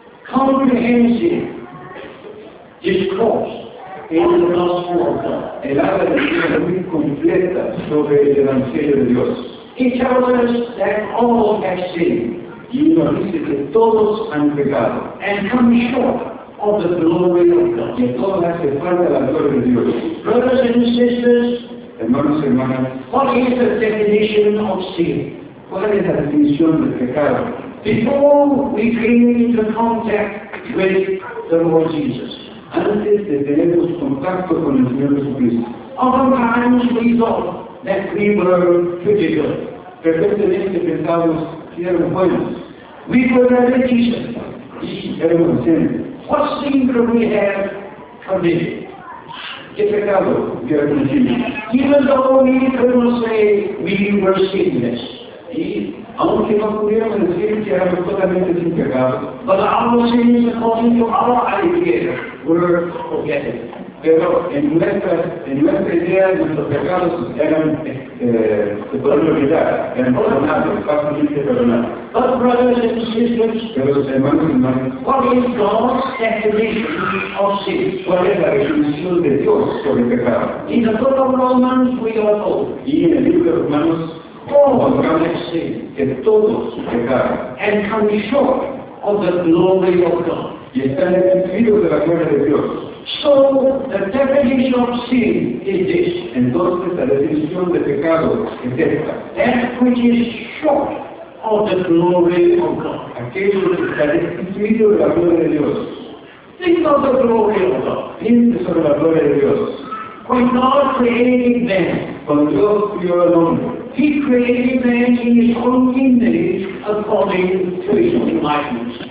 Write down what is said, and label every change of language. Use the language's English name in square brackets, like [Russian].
[English] comprehends him, his cross, and the gospel of God. [Spanish] Él habla de manera muy completa sobre el evangelio de Dios. [English] He tells us that all have sinned. [Spanish] Y nos dice que todos han pecado. [English] And come short of the glory of God. [Spanish] Que todos hacen falta la gloria de Dios. [English] Brothers and sisters, [Spanish] hermanos y hermanas, [English] what is the definition of sin? [Spanish] ¿Cuál es la definición del pecado? [English] Before we came into contact with the Lord Jesus, [Spanish] antes de tener contacto con el Señor Jesucristo, [English] oftentimes we thought that we were pretty good. [Spanish] Frecuentemente pensamos que éramos buenos. [English] We were very decent. [Spanish] Éramos decentes. [English] What sin could we have committed? [Spanish] ¿Qué pecado hubiera cometido? [English] Even though we couldn't say we were sinless. [Spanish] Y aunque no pudiéramos decir que éramos totalmente sin pecado, [English] but our sins, according to our idea, were forgiven. [Spanish] Pero en nuestra idea, nuestros pecados eran se podían olvidar, eran perdonados, fácilmente perdonados. [English] But brothers and sisters, [Spanish] pero hermanos y hermanas, [English] what is God's definition of sin? [Spanish] ¿Cuál es la definición de Dios sobre el pecado? [English] In the book of Romans we are told. [Spanish] Y en el libro de Romanos, [English] all have sinned, [Spanish] que todos pecaron, [English] and come short of the glory of God. [Spanish] Y están excluidos de la gloria de Dios. [English] So the definition of sin is this. [Spanish] Entonces la definición de pecado es esta. [English] That which is short of the glory of God. [Spanish] Aquello que está excluido de la gloria de Dios. [English] Think of the glory of God. [Spanish] Piense sobre la gloria de Dios. [English] When God created man, [Spanish] cuando Dios creó al hombre, [English] He created man in His own image, according to His own likeness.